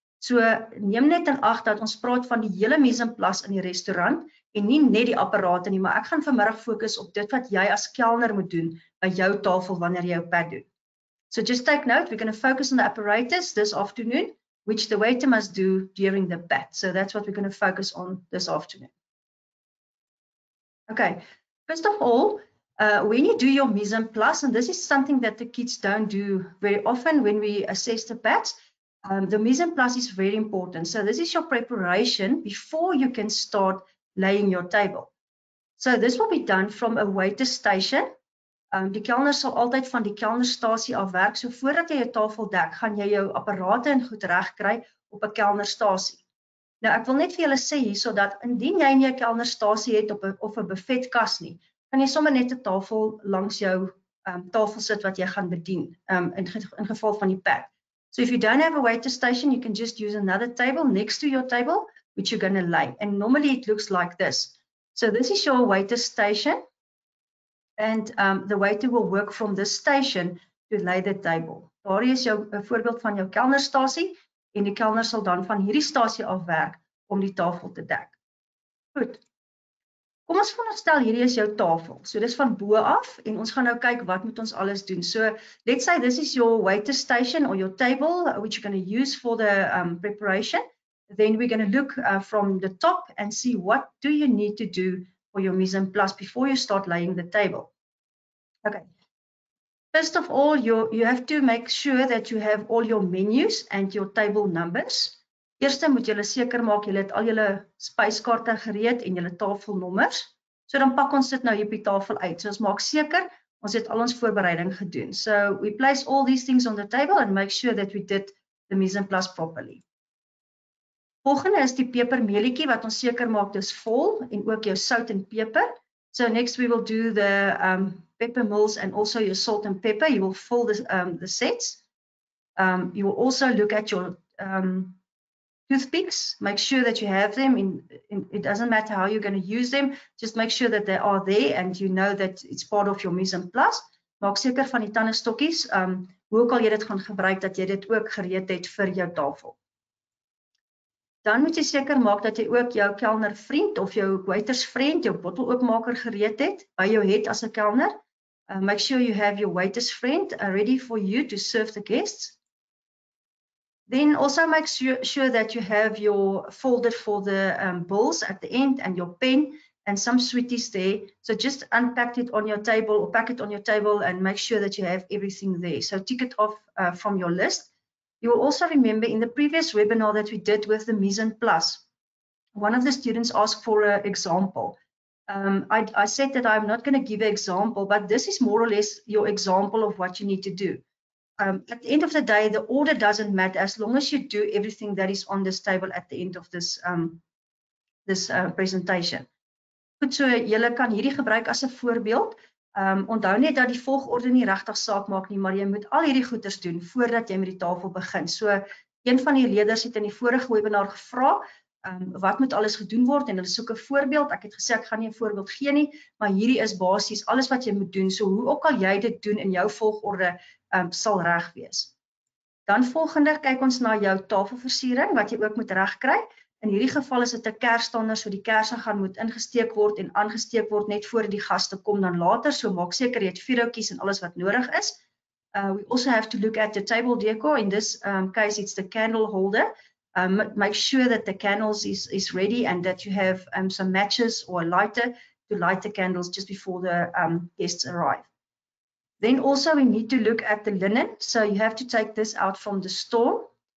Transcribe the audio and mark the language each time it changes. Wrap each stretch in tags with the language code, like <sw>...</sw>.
<af>So neem net in ag dat ons praat van die hele mise en place in die restaurant en nie net die apparate nie, maar ek gaan vanmiddag fokus op dit wat jy as kelner moet doen by jou tafel wanneer jy jou pad doen.</af> <en>So just take note, we're going to focus on the apparatus this afternoon, which the waiter must do during the pad. So that's what we're going to focus on this afternoon. Okay, first of all, when you do your mise en place, and this is something that the kids don't do very often when we assess the pads, the mise en place is very important. So this is your preparation before you can start laying your table. So this will be done from a waiter station.</en> <af>Die kelner sal altyd van die kelnerstasie af werk. So voordat jy jou tafel dek, gaan jy jou apparate en goed reg kry op 'n kelnerstasie. Nou ek wil net vir julle sê hierso dat indien jy nie 'n kelnerstasie het op 'n of 'n buffetkas nie, kan jy sommer net 'n tafel langs jou tafel sit wat jy gaan bedien in geval van die pad.</af> <en>So if you don't have a waiter station, you can just use another table next to your table which you're going to lay. And normally it looks like this. So this is your waiter station. And the waiter will work from this station to lay the table.</en> <af>Daar is jou 'n voorbeeld van jou kelnerstasie en die kelner sal dan van hierdie stasie af werk om die tafel te dek. Goed. Kom ons veronderstel hierdie is jou tafel. So dis van bo af en ons gaan nou kyk wat moet ons alles doen.</af> <en>So let's say this is your waiter station or your table which you're going to use for the preparation. Then we're going to look from the top and see what do you need to do for your mise en place before you start laying the table. Okay. First of all, you have to make sure that you have all your menus and your table numbers.</en> <af>Eerste moet julle seker maak julle het al julle spyskaarte gereed en julle tafelnommers. So dan pak ons dit nou hier op die tafel uit. So ons maak seker ons het al ons voorbereiding gedoen.</af> <en>So we place all these things on the table and make sure that we did the mise en place properly.</en> <af>Volgende is die pepermeelietjie wat ons seker maak dis vol en ook jou sout en peper.</af> <en>So next we will do the pepper mills and also your salt and pepper. You will fill this, the sets. You will also look at your toothpicks. Make sure that you have them. It doesn't matter how you're going to use them. Just make sure that they are there and you know that it's part of your mise en place. Maak seker van die tandestokkies, hoe ook al jy dit gaan gebruik, dat jy dit ook gereed het vir jou tafel. Dan moet jy seker maak dat jy ook jou kelner vriend of jou waiters vriend, jou bottle oopmaker gereed het, by jou het as 'n kelner. Make sure you have your waiters friend ready for you to serve the guests. Then also make sure that you have your folder for the bills at the end and your pen and some sweeties there. So just unpack it on your table or pack it on your table and make sure that you have everything there. So tick it off from your list. You will also remember in the previous webinar that we did with the mise en place, one of the students asked for an example. I said that I'm not going to give an example, but this is more or less your example of what you need to do. At the end of the day, the order doesn't matter as long as you do everything that is on this table at the end of this presentation.</en> <af>Goed, so julle kan hierdie gebruik as 'n voorbeeld. Onthou net dat die volgorde nie regtig saak maak nie, maar jy moet al hierdie goeders doen voordat jy met die tafel begin. So, een van die leerders het in die vorige webinar gevra, wat moet alles gedoen word en hulle soek 'n voorbeeld. Ek het gesê ek gaan nie 'n voorbeeld gee nie, maar hierdie is basies alles wat jy moet doen. So, hoe ook al jy dit doen in jou volgorde, sal reg wees. Dan volgende kyk ons na jou tafelversiering wat jy ook moet regkry. In hierdie geval is dit 'n kersstander, so die kersse gaan moet ingesteek word en aangesteek word net voor die gaste kom dan later. So maak seker jy het vuurhoutjies en alles wat nodig is.</af> <en>We also have to look at the table decor. In this case it's the candle holder. Make sure that the candles is ready and that you have some matches or a lighter to light the candles just before the guests arrive. Then also we need to look at the linen. So you have to take this out from the store.</en>